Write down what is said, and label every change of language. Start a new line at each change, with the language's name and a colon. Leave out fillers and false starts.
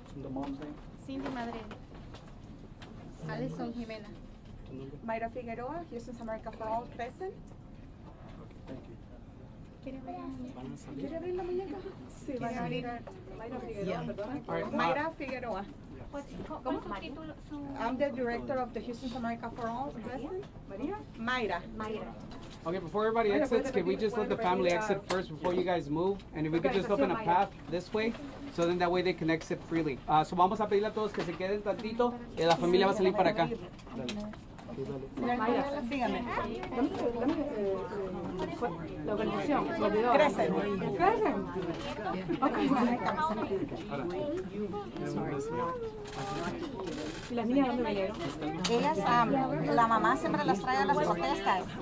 English: The mom's name? Cindy Madrid. Allison Jimena. Mayra Figueroa, Houston's America for All, present. Okay, thank you.
Spanish: ¿Quiere abrir la muñeca? Sí, va a abrir. Mayra Figueroa, perdón. Mayra Figueroa.
English: I'm the director of the Houston America for All. Maria? Mayra. Okay, before everybody exits, can we just let the family exit first before you guys move? And if we could just open a path this way, so then that way they can exit freely.
Spanish: So vamos a pedirle a todos que se queden tantito, y la familia va a salir para acá. La mamá siempre las trae a las protestas.